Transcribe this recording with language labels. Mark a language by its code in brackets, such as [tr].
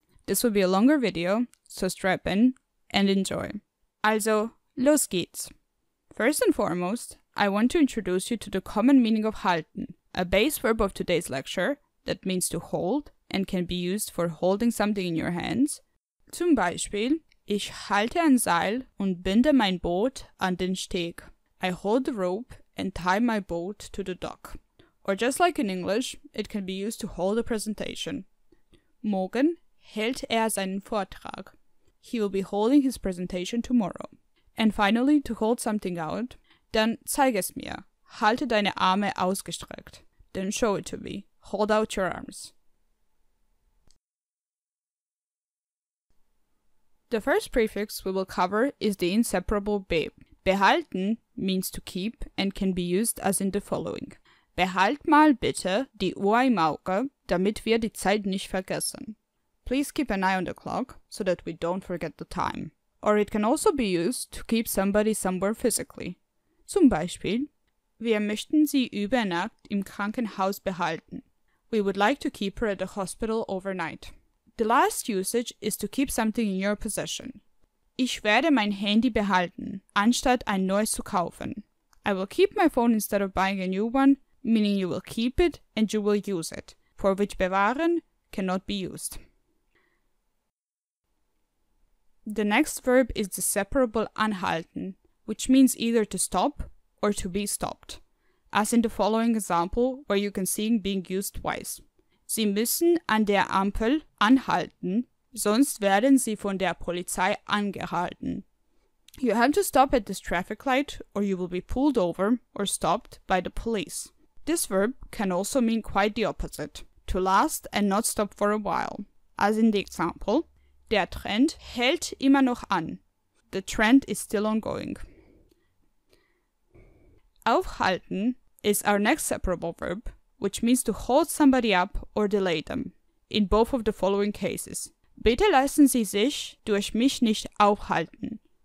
[en] This will be a longer video, so strap in and enjoy. [de] Also, los geht's! [en] First and foremost, I want to introduce you to the common meaning of halten, a base verb of today's lecture that means to hold and can be used for holding something in your hands. [de] Zum Beispiel, ich halte ein Seil und binde mein Boot an den Steg. [en] I hold the rope and tie my boat to the dock. Or just like in English, it can be used to hold a presentation. [de] Morgen hält seinen Vortrag. [en] He will be holding his presentation tomorrow. And finally, to hold something out, [de] dann zeig es mir. Halte deine Arme ausgestreckt. [en] Then show it to me. Hold out your arms. The first prefix we will cover is the inseparable be. Behalten means to keep and can be used as in the following. [de] Behalt mal bitte die Uhr im Auge, damit wir die Zeit nicht vergessen. [en] Please keep an eye on the clock, so that we don't forget the time. Or it can also be used to keep somebody somewhere physically. [de] Zum Beispiel, wir möchten sie über Nacht im Krankenhaus behalten. [en] We would like to keep her at the hospital overnight. The last usage is to keep something in your possession. [de] Ich werde mein Handy behalten, anstatt ein neues zu kaufen. [en] I will keep my phone instead of buying a new one, meaning you will keep it and you will use it, for which bewahren cannot be used. The next verb is the separable anhalten, which means either to stop or to be stopped, as in the following example where you can see it being used twice. [de] Sie müssen an der Ampel anhalten, sonst werden sie von der Polizei angehalten. [en] You have to stop at this traffic light or you will be pulled over or stopped by the police. This verb can also mean quite the opposite, to last and not stop for a while. As in the example, [de] der Trend hält immer noch an. [en] The trend is still ongoing. Aufhalten is our next separable verb, which means to hold somebody up or delay them, in both of the following cases. [de] Bitte lassen Sie sich durch mich nicht aufhalten.